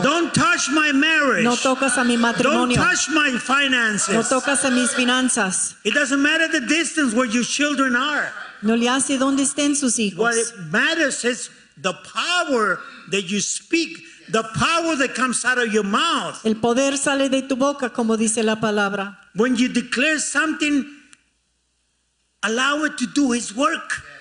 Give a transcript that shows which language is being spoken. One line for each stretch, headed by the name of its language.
English: Don't touch my marriage.
Spanish: No tocas a mi matrimonio.
English: Don't touch my finances.
Spanish: No tocas a mis finanzas.
English: It doesn't matter the distance where your children are.
Spanish: No le hace dónde estén sus hijos.
English: What matters is the power that you speak, the power that comes out of your mouth.
Spanish: El poder sale de tu boca, como dice la palabra.
English: When you declare something, allow it to do his work.